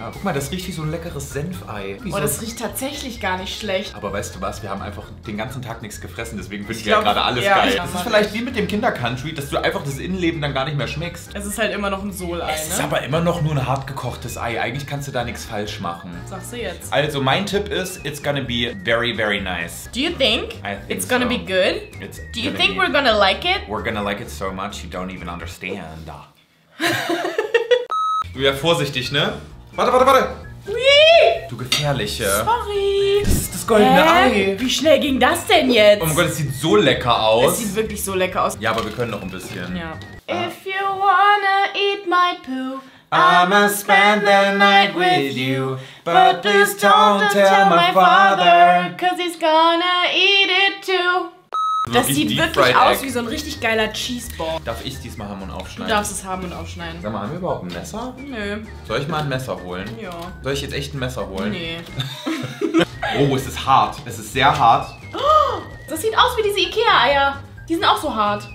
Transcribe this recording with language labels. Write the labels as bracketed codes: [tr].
[de] Ja, guck mal, das riecht wie so ein leckeres Senfei. Oh, das riecht tatsächlich gar nicht schlecht. Aber weißt du was? Wir haben einfach den ganzen Tag nichts gefressen, deswegen finde ich ja gerade alles geil. Das ist vielleicht wie mit dem Kinder-Country, dass du einfach das Innenleben dann gar nicht mehr schmeckst. Es ist halt immer noch ein Sohlei. Es ne? ist aber immer noch nur ein hart gekochtes Ei. Eigentlich kannst du da nichts falsch machen. Sagst du jetzt. Also mein Tipp ist, [en] it's gonna be very, very nice. Do you think, it's gonna so. Be good? It's Do you think we're gonna like it? We're gonna like it so much, you don't even understand. [de] Du wärst vorsichtig, ne? Warte, warte, warte! Wee! Du Gefährliche! [en] Sorry! [de] Das ist das goldene Ei! Wie schnell ging das denn jetzt? Oh mein Gott, es sieht so lecker aus. Es sieht wirklich so lecker aus. Ja, aber wir können noch ein bisschen. Ja. [en] If you wanna eat my poo, I'ma spend the night with you. But please don't tell my father, cause he's gonna eat it too. [de] Das sieht wirklich aus wie so ein richtig geiler Cheeseball. Darf ich diesmal haben und aufschneiden? Du darfst es haben und aufschneiden. Sag mal, haben wir überhaupt ein Messer? Nö. Soll ich mal ein Messer holen? Ja. Soll ich jetzt echt ein Messer holen? Nee. Oh, es ist hart. Es ist sehr hart. Das sieht aus wie diese IKEA-Eier. Die sind auch so hart.